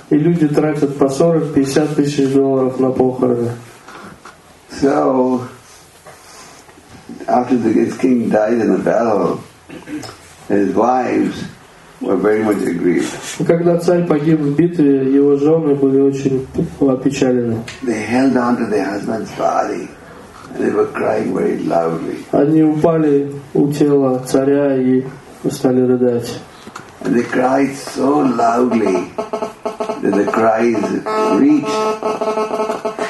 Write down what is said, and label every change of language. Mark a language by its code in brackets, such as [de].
[ru] И люди тратят по 40-50 тысяч долларов на похороны. [en] So, after his king died in the battle, his wives were very much aggrieved. [ru] Когда царь погиб в битве, его жены были очень опечалены. [en] They held on to their husband's body, and they were crying very loudly. [ru] Они упали у тела царя и стали рыдать. [en] And they cried so loudly that the cries reached.